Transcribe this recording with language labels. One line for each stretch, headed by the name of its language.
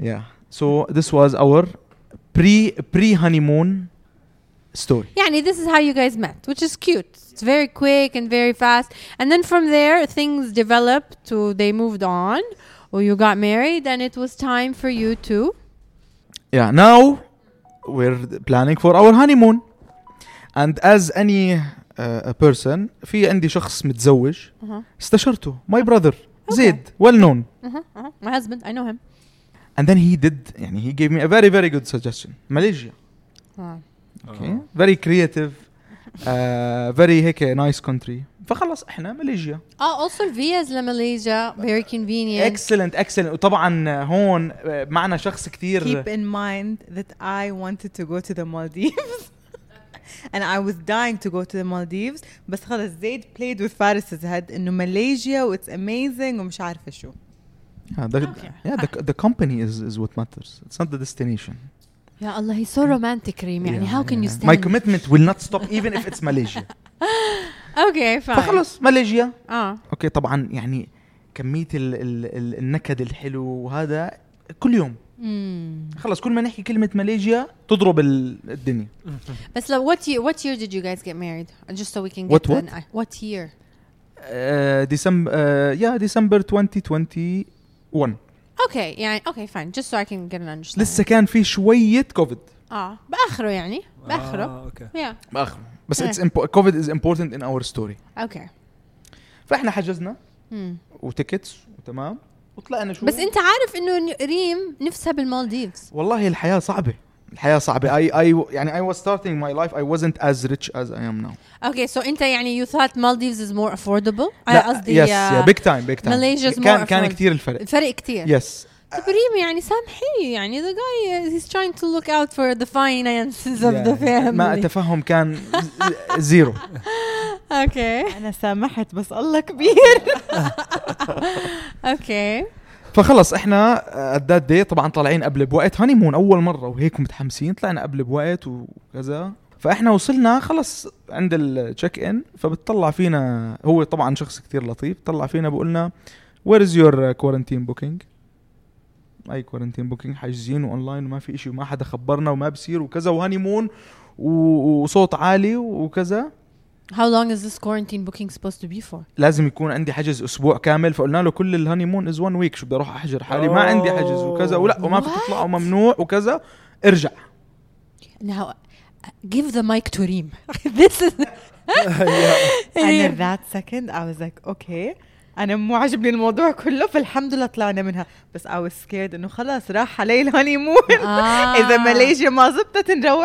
English: Yeah. So this was our pre honeymoon story. Yeah, and this is how you guys met, which is cute. It's very quick and very fast. And then from there, things developed to they moved on. Well, you got married and it was time for you to. Yeah. Now we're planning for our honeymoon. And as any person,
Arabic: في عندي شخص متزوج استشرته.
English: My brother, Zaid, well known. My husband, I know him. And then he did, يعني he gave me a very, very good suggestion. Malaysia. Okay. Very creative. Very
Arabic: هيك
English: nice country.
Arabic: فخلص احنا ماليزيا.
English: Also visas لماليزيا. Very convenient. Excellent, excellent.
Arabic: وطبعا هون معنا شخص كتير.
English: Keep in mind that I wanted to go to the Maldives. And I was dying to go to the Maldives.
Arabic: بس خلص زيد
English: played with Faris's head
Arabic: إنه ماليزيا
English: it's amazing
Arabic: ومش عارفة شو.
English: Yeah, the company is what matters. It's not the destination. Ya Allah, he's so romantic, Reem. Yeah, how can you stand? My commitment will not stop even if it's Malaysia. Okay, fine.
Arabic: فخلص ماليزيا.
English: Okay,
Arabic: طبعا يعني كمية ال النكد الحلو وهذا كل يوم. خلص كل ما نحكي كلمة ماليزيا تضرب الدنيا. بس لو
English: what year did you guys get married? Just so we can get what an eye. What year? December 2021. Okay, yeah, okay, fine. Just so I can get an understanding.
Arabic: لسه كان في شوية كوفيد. بآخره يعني. بآخره.
English: Okay. Yeah.
Arabic: بآخره.
English: بس it's COVID is important in our story. Okay.
Arabic: فإحنا حجزنا. وتيكتس وتمام. وطلعنا شو. بس أنت عارف إنه ريم نفسها بالمالديفز. والله الحياة صعبة. الحياة صعبة.
English: I was starting my life. I wasn't as rich as I am now. Okay, so
Arabic: أنت يعني
English: you thought Maldives is more affordable? Yes, big time, big time. Malaysia is more affordable.
Arabic: كان كتير الفرق. الفرق كتير.
English: Yes.
Arabic: تبريم يعني سامحي يعني
English: the guy he's trying to look out for the finances of the family.
Arabic: ما تفهم كان zero.
English: Okay.
Arabic: أنا سامحت بس الله كبير.
English: Okay.
Arabic: فخلص احنا قداد دي طبعا طالعين قبل بوقت هانيمون اول مره وهيك متحمسين طلعنا قبل بوقت وكذا فاحنا وصلنا خلص عند التشيك ان فبتطلع فينا هو طبعا شخص كتير لطيف طلع فينا بقولنا
English: where is your quarantine booking
Arabic: اي كوارنتين بوكينج حاجزين اونلاين وما في اشي وما حدا خبرنا وما بصير وكذا وهانيمون وصوت عالي وكذا
English: How long is this quarantine booking supposed to be for?
Arabic: لازم يكون عندي حجز أسبوع كامل فقلنا له كل الهانيمون
English: is one week
Arabic: شو بدي أروح أحجر حالي ما عندي حجز وكذا ولا وما في تطلع وممنوع وكذا ارجع
English: Now give the mic to Reem This is And at that second I was like okay
Arabic: أنا مو عجبني الموضوع كله فالحمد لله طلعنا منها بس
English: I was scared
Arabic: إنه خلاص راح علي الهانيمون إذا ماليزيا ما زبطت نروح